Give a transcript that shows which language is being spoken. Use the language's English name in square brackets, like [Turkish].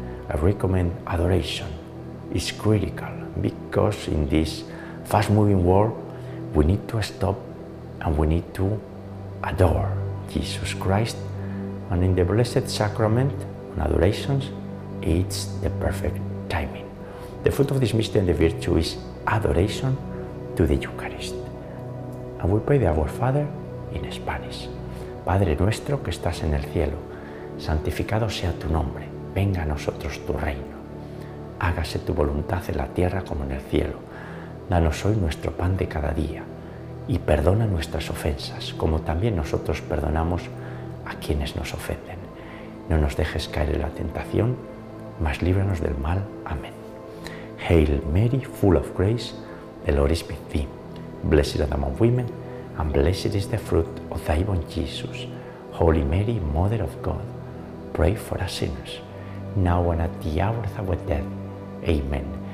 [English] I recommend adoration. It's critical, because in this fast-moving world, we need to stop and we need to adore Jesus Christ. And in the Blessed Sacrament, on adorations, it's the perfect timing. The fruit of this mystery and the virtue is adoration to the Eucharist. And we pray the Our Father in Spanish. [Spanish] Padre nuestro que estás en el cielo, santificado sea tu nombre, venga a nosotros tu reino. Hágase tu voluntad en la tierra como en el cielo. Danos hoy nuestro pan de cada día y perdona nuestras ofensas, como también nosotros perdonamos a quienes nos ofenden. No nos dejes caer en la tentación, mas líbranos del mal. Amén. [English] Hail Mary, full of grace, the Lord is with thee. Blessed art thou among women, and blessed is the fruit of thy womb, Jesus. Holy Mary, Mother of God, pray for us sinners, now and at the hour of our death. Amen.